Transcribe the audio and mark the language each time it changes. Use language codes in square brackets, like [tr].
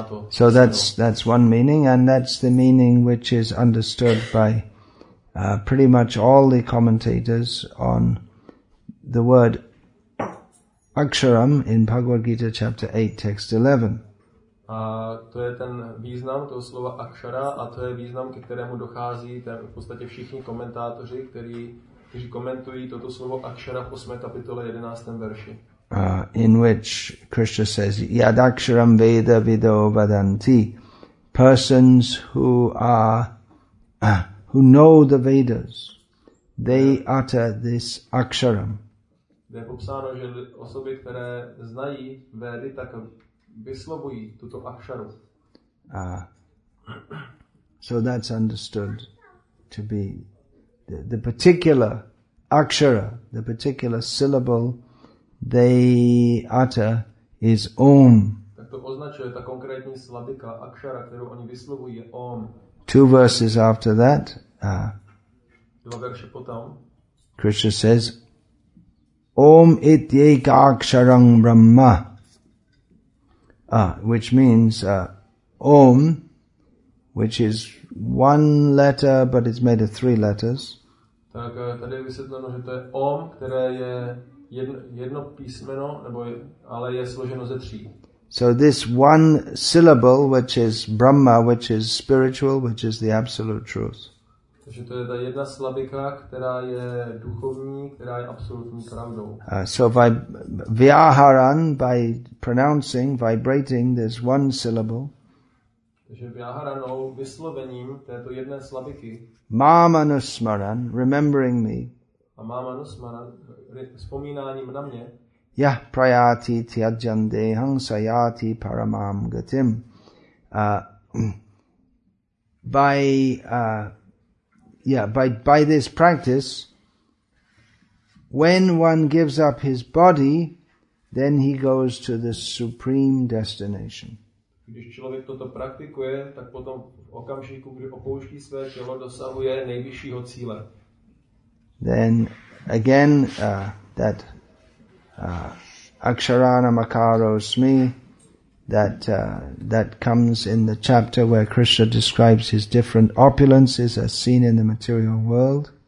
[en] So that's one meaning, and that's the meaning which is understood by pretty much all the commentators on the word Aksharam in Bhagavad Gita chapter 8, text 11. [cs] A to je ten význam toho slova akshara a to je význam, ke kterému dochází ten v podstatě všichni komentátoři, kteří komentují toto slovo akshara v 8. kapitole 11. verši. [en] In which Krishna says, [sa] yad aksharam veda vido vadanti. [en] Persons who are who know the Vedas, they utter this aksharam. [cs] Je popsáno, že osoby, které znají Vedy, tak vyslovují tuto aksharu. [en] So that's understood to be the particular akshara, the particular syllable they utter is om. [cs] Tak to označuje ta konkrétní slabika akshara, kterou oni vyslovují je om. [en] Two verses after that, [cs] dva verše potom, [en] Krishna says, [sa] om ityeka aksharang brahma. [en] Which means Om, which is one letter, but it's made of three letters. [cs] Tak tady je vysvětleno, že to je Om, které je jedno písmeno, nebo ale je složeno ze tří. [en] So this one syllable, which is Brahma, which is spiritual, which is the absolute truth. [cs] Takže to je ta jedna slabika, která je duchovní, která je absolutní pravdou. [en] So by vyaharan, by pronouncing, vibrating this one syllable. [cs] Takže vyaharanou, vyslovením této jedné slabiky. [en] Mamanusmaran, remembering me. [cs] A mamanusmaran, vzpomínáním na mě. [sa] Yah prayati tyajande hansayati paramam gatim. [en] By this practice, when one gives up his body, Then he goes to the supreme destination. [cs] Když člověk toto praktikuje, tak potom v okamžiku, kdy opouští své tělo, dosahuje nejvyššího cíle. [en] Then again that [sa] Aksharana Makaro Smi [en] that comes in the chapter where Krishna describes his different opulences as seen in the material world.